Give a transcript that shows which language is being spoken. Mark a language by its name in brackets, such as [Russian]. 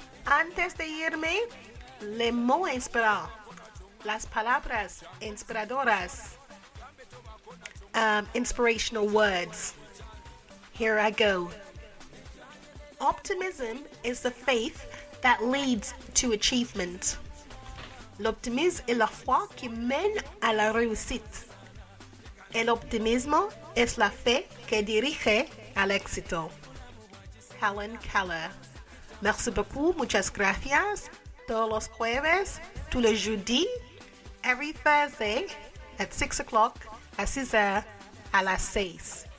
[Spanish] Antes de irme, [French] le mot [Spanish] inspirado. Las palabras inspiradoras. [English] Inspirational words. Here I go. Optimism is the faith that leads to achievement. [French] L'optimisme est la foi qui mène à la réussite. [Spanish] El optimismo es la fe que dirige al éxito. [French] Helen Keller. Merci beaucoup, [Spanish] muchas gracias. Todos los jueves, [French] tous les jeudis, [English] every Thursday at 6 o'clock, [French] à 6 heures, [Spanish] à la 6.